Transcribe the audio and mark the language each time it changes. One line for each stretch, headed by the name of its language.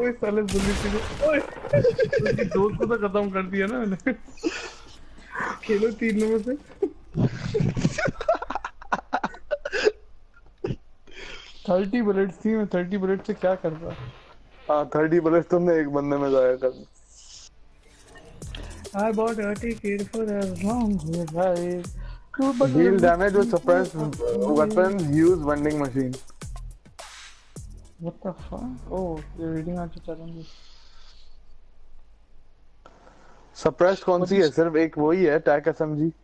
Hindi: ओए साले बुल्ली तेरे ओए दोस्त को तो खत्म कर दिया ना मैंने। खेलो तीनों में से। थर्टी बुलेट्स थी, मैं 30 बुलेट से क्या करता। हाँ 30 बुलेट्स तुमने एक बंदे में जाया कर।
English: I bought 30 kills for a long time. Deal damage with suppressed weapons. Use vending machine. What the fuck? Oh, you're reading out the challenges.
Hindi: Suppressed कौन सी है? सिर्फ एक वही है, tac SMG.